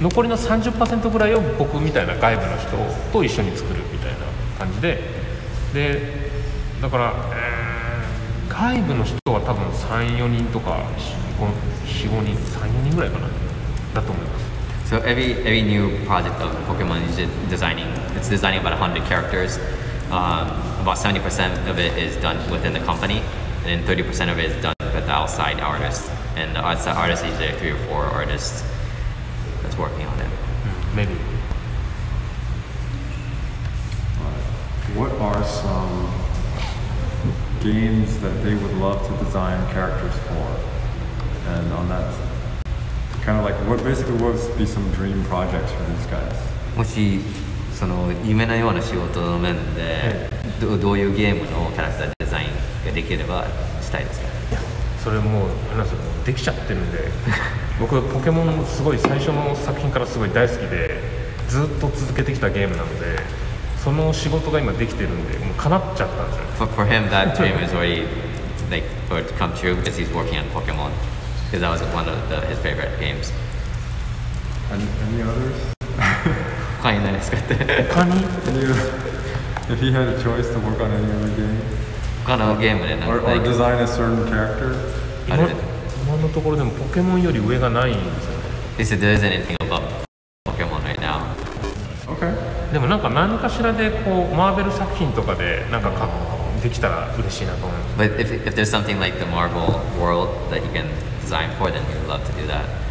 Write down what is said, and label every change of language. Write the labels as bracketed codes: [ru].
[ja] 残りの 30% ぐらいを僕みたいな外部の人と一緒に作るみたいな感じで、でだから、外部の人は多分3、4人とか4、5人、3、4人ぐらいかなだと思います。 [en] So every new project of Pokemon is designing. It's designing about 100 characters. About 70% of it is done within the company, and 30% of it is done with the outside artists. And the outside artists is usually 3 or 4 artists that's working on it. Maybe. What are some games that they would love to design characters for? And on that. Kind of like what basically would be some dream projects for these guys? [ja] もしその夢のような仕事の面で、hey. どういうゲームのキャラクターデザインができればしたいですか？それもう話すのできちゃってるんで、僕ポケモンすごい最初の作品からすごい大好きでずっと続けてきたゲームなので、その仕事が今できてるんでもう叶っちゃったんですよ。 [en] For him, that dream is already like for it to come true because he's working on Pokemon. Because that was one of the, his favorite games. Any others? [ja] 他に何ですかって他に [en] If he had a choice to work on any other game? [ja] 他のゲームで何 [en] か or design a certain character? [ja] 今のところでもポケモンより上がないんですよ。 [en] He said there isn't anything about Pokemon right now. Okay. [ja] でもなんか何かしらでこうマーベル作品とかでなんかできたら嬉しいなと思います。 [en] But if there's something like the Marvel world that you can... design for them, you'd love to do that.